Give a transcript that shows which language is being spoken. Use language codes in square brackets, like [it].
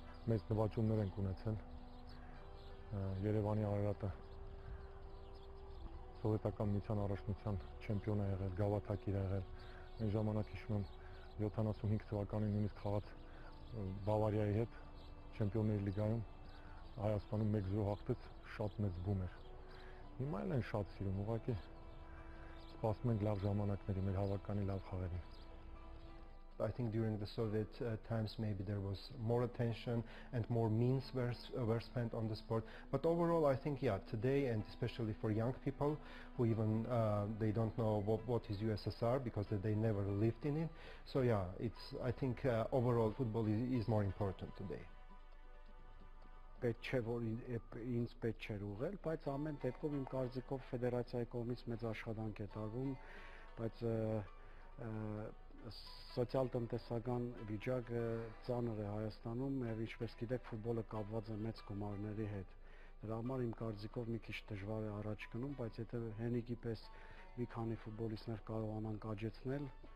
[hy] մեծ նվաճումներ ենք ունեցել Երևանի Արարատը սովետական միության առաջնության չեմպիոն է եղել, գավաթակիր է եղել։ Այն ժամանակ հիշում եմ 75 թվականին նույնիսկ խաղաց Բավարիայի հետ Չեմպիոնների լիգայում, Հայաստանում 1-0 հաղթեց, շատ մեծ բում էր։ Հիմա էլ են շատ սիրում, ուղղակի սպասում ենք լավ ժամանակների, մեր հավաքականի լավ խաղերի։ [en] I think during the Soviet times maybe there was more attention and more means were spent on the sport, but overall I think yeah, today, and especially for young people who even they don't know what is USSR because they never lived in it, so yeah, it's I think overall football is more important today. [hy] Պետք չէ որ ինձ պետք չէր ուղղել, բայց ամեն դեպքում իմ կարծիքով ֆեդերացիայի կողմից մեծ աշխատանք է տարվում, բայց սոցիալ-տնտեսական վիճակը ծանր է Հայաստանում եւ ինչպես գիտեք ֆուտբոլը կապված է մեծ գումարների հետ։ Դրա համար իմ կարծիքով մի քիչ դժվար է առաջ գնում, բայց եթե Հենրիկի պես մի քանի ֆուտբոլիստներ կարողանան աջակցել,